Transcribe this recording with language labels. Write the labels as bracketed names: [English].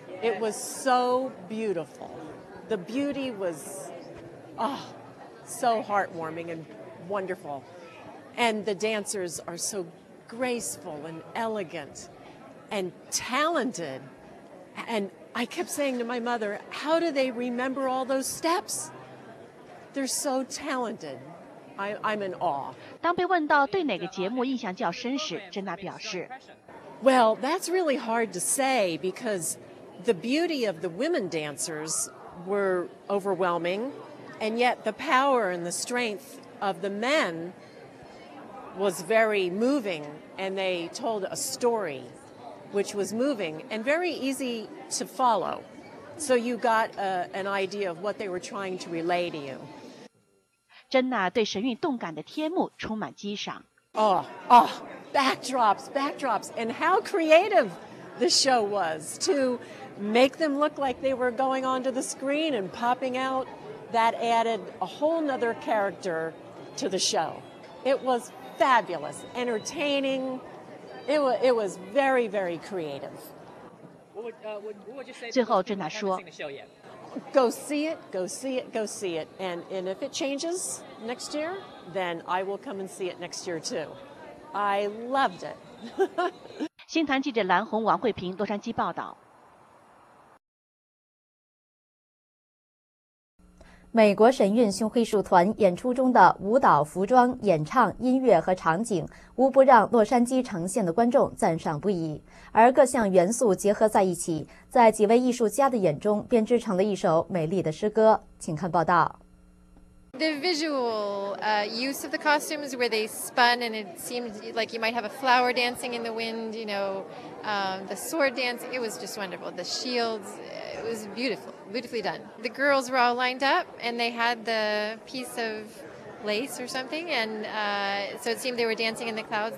[English] It was so beautiful. The beauty was, oh, so heartwarming and wonderful. And the dancers are so graceful and elegant and talented. And I kept saying to my mother, how do they remember all those steps? They're so talented. I'm in awe. [Chinese] 当被问到对哪个节目印象较深时，珍娜表示 [English] Well, that's really hard to say because the beauty of the women dancers were overwhelming. And yet the power and the strength of the men... was very moving, and they told a story which was moving and very easy to follow. So you got an idea of what they were trying to relay to you. [Chinese] 珍娜对神韵动感的天幕充满激赏。 [English] Oh, backdrops, backdrops, and how creative the show was to make them look like they were going onto the screen and popping out. That added a whole nother character to the show. It wasFabulous, entertaining. It was very, very creative. What would you say? [Chinese] 最后，珍娜说 [English] "Go see it, go see it, go see it." And if it changes next year, then I will come and see it next year too. I loved it. [Chinese] 新唐记者蓝红、王慧平，洛杉矶报道。美国神韵巡回艺术团演出中的舞蹈、服装、演唱、音乐和场景无不让洛杉矶呈现的观众赞赏不已，而各项元素结合在一起，在几位艺术家的眼中编织成了一首美丽的诗歌。请看报道。 [English] The visual use of the costumes where they spun and it seemed like you might have a flower dancing in the wind, you know, the sword dance, it was just wonderful. The shields, it was beautiful. Beautifully done. The girls were all lined up and they had the piece of lace or something and so it seemed they were dancing in the clouds.